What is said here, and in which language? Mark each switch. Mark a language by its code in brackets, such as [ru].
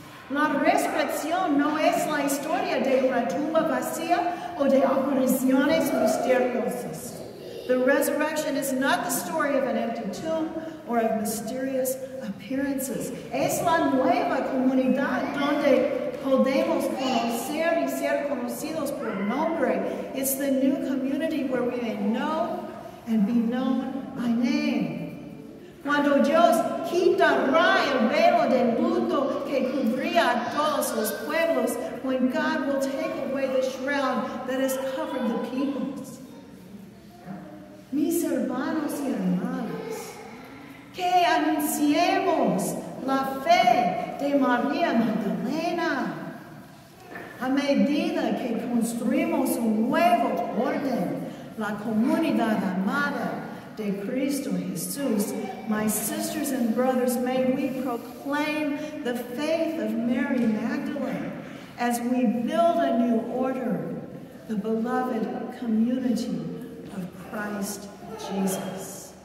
[es] La resurrección no es la historia de una tumba vacía o de apariciones misteriosas. [en] The resurrection is not the story of an empty tomb or of mysterious appearances. [es] Es la nueva comunidad donde podemos conocer y ser conocidos por nombre. [en] It's the new community where we may know and be known by name. [es] Cuando Dios quitará el velo de luto que cubría todos los pueblos, [en] when God will take away the shroud that has covered the peoples. [es] Mis hermanos y hermanas, que anunciemos la fe de María Magdalena a medida que construimos un nuevo orden, la comunidad amada de Cristo Jesús. [en] My sisters and brothers, may we proclaim the faith of Mary Magdalene as we build a new order, the beloved community of Christ Jesus.